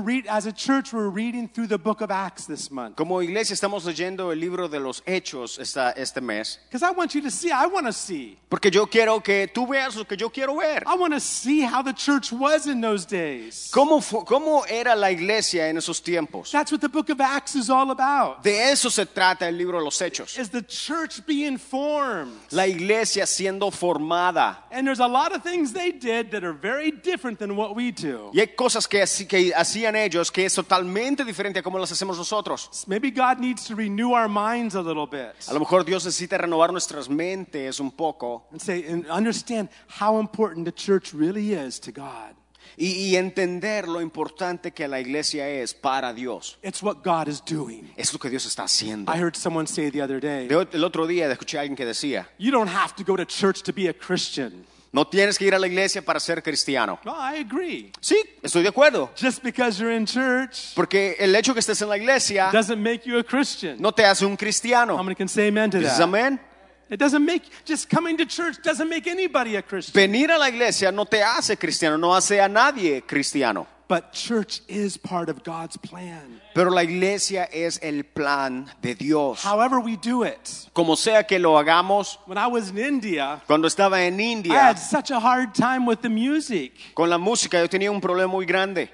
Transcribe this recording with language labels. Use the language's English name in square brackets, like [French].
[English] As a church, we're reading through the Book of Acts this month. [Spanish] Como iglesia estamos leyendo el libro de los Hechos este mes. [English] Because I want you to see. I want to see. [Spanish] Porque yo quiero que tú veas lo que yo quiero ver. [English] I want to see how the church was in those days. [Spanish] ¿Cómo era la iglesia en esos tiempos? [English] That's what the Book of Acts is all about. [Spanish] De eso se trata el libro de los Hechos. [English] Is the church being formed? [Spanish] La iglesia siendo formada. [English] And there's a lot of things they did that are very different than what we do. [Spanish] Y hay cosas que hacían ellos que es totalmente diferente a cómo las hacemos nosotros. [English] Maybe God needs to renew our minds a little bit. [Spanish] A lo mejor Dios necesita renovar nuestras mentes un poco. [English] And understand how important the church really is to God. [Spanish] Y entender lo importante que la iglesia es para Dios. [English] It's what God is doing. [Spanish] Es lo que Dios está haciendo. [English] I heard someone say the other day. [Spanish] El otro día escuché a alguien que decía. [English] You don't have to go to church to be a Christian. [Spanish] No tienes que ir a la iglesia para ser cristiano. [English] No, I agree. [Spanish] Sí, estoy de acuerdo. [English] Just because you're in church. [Spanish] Porque el hecho que estés en la iglesia. [English] Doesn't make you a Christian. [Spanish] No te hace un cristiano. [English] How many can say amen to that? [Spanish] Dices amén. [English] It doesn't make, just coming to church doesn't make anybody a Christian. [Spanish] Venir a la iglesia no te hace cristiano, no hace a nadie cristiano. [English] But church is part of God's plan. [Spanish] Pero la iglesia es el plan de Dios. [English] However we do it. [Spanish] Como sea que lo hagamos. [English] When I was in India. [Spanish] Cuando estaba en India. [English] I had such a hard time with the music. [Spanish] Con la música yo tenía un problema muy grande.